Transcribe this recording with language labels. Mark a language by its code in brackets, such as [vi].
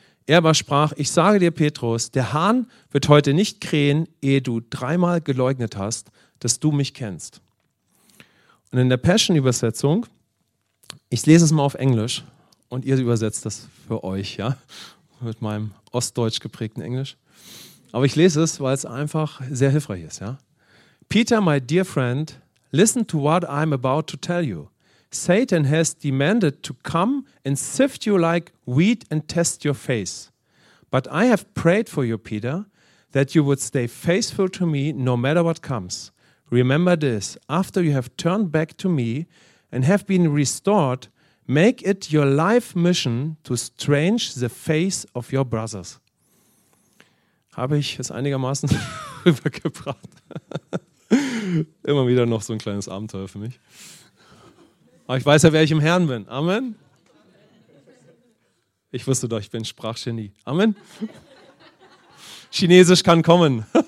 [de] Er aber sprach, ich sage dir, Petrus, der Hahn wird heute nicht krähen, ehe du dreimal geleugnet hast, dass du mich kennst. Und in der Passion-Übersetzung, ich lese es mal auf Englisch und ihr übersetzt das für euch, ja, mit meinem ostdeutsch geprägten Englisch. Aber ich lese es, weil es einfach sehr hilfreich ist, ja. [en] Peter, my dear friend, listen to what I'm about to tell you. Satan has demanded to come and sift you like wheat and test your faith. But I have prayed for you, Peter, that you would stay faithful to me no matter what comes. Remember this, after you have turned back to me and have been restored, make it your life mission to strange the faith of your brothers. [de] Habe ich es einigermaßen rübergebracht? Immer wieder noch so ein kleines Abenteuer für mich. Aber ich weiß ja, wer ich im Herrn bin. Amen. Ich wusste doch, ich bin Sprachgenie. Amen. Chinesisch kann kommen.